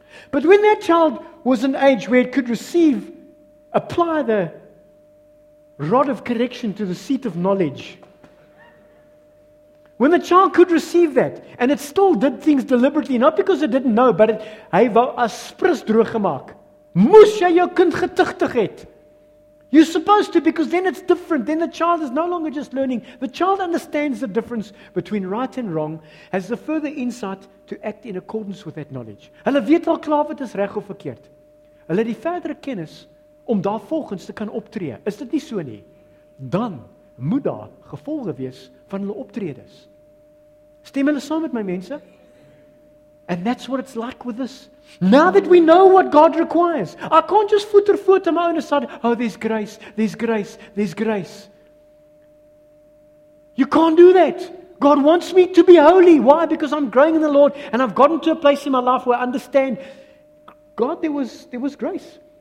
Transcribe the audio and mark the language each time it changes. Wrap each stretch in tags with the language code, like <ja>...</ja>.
<en>But when that child was an age where it could receive, apply the rod of correction to the seat of knowledge, when the child could receive that, and it still did things deliberately, not because it didn't know, but it</en> <af>wou aspris droog gemaak, moes jy jou kind getugtig het.</af> <en>You're supposed to, because then it's different. Then the child is no longer just learning. The child understands the difference between right and wrong, has the further insight to act in accordance with that knowledge.</en> <af>Hulle weet al klaar wat is reg of verkeerd. Hulle het die verdere kennis om daar volgens te kan optree. Is dit nie so nie? Dan moet daar gevolge wees van hulle optredes. Stem hulle saam met my mense?</af> <en>And that's what it's like with this. Now that we know what God requires, I can't just footer foot on my own aside, oh, there's grace, there's grace, there's grace. You can't do that. God wants me to be holy. Why? Because I'm growing in the Lord and I've gotten to a place in my life where I understand, God, there was grace.</en>